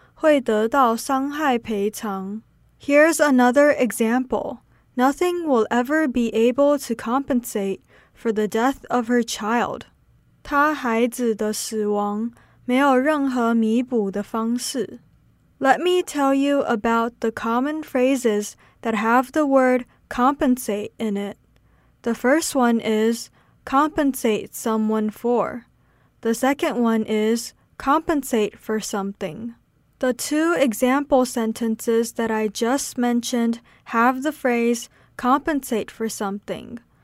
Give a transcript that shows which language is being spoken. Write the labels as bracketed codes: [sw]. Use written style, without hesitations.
[zh] 车祸中的受害者会得到伤害赔偿. [en] Here's another example. Nothing will ever be able to compensate for the death of her child. [zh] 她孩子的死亡没有任何弥补的方式. [en] Let me tell you about the common phrases that have the word compensate in it. The first one is compensate someone for. The second one is compensate for something. The two example sentences that I just mentioned have the phrase compensate for something.